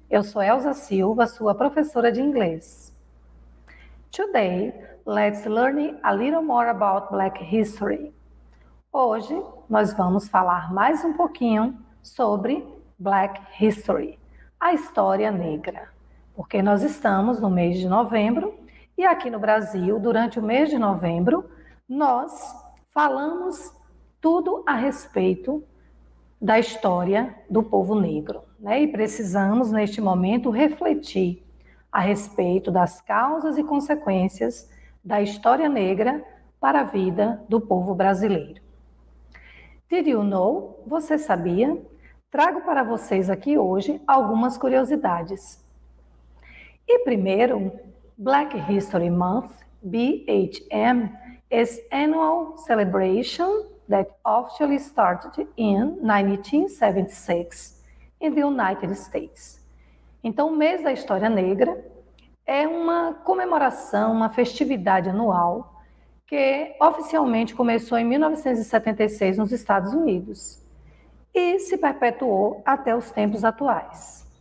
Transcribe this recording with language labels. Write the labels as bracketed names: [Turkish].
[Portuguese] Eu sou Elsa Silva, sua professora de inglês. [English] Today, let's learn a little more about Black History. [Portuguese] Hoje, nós vamos falar mais um pouquinho sobre Black History, a história negra, porque nós estamos no mês de novembro. E aqui no Brasil, durante o mês de novembro, nós falamos tudo a respeito da história do povo negro, né? E precisamos, neste momento, refletir a respeito das causas e consequências da história negra para a vida do povo brasileiro. [English] Did you know? [Portuguese] Você sabia? Trago para vocês aqui hoje algumas curiosidades. E primeiro, [English] Black History Month, BHM, is annual celebration that officially started in 1976 in the United States. [Portuguese] Então, o mês da história negra é uma comemoração, uma festividade anual que oficialmente começou em 1976 nos Estados Unidos e se perpetuou até os tempos atuais.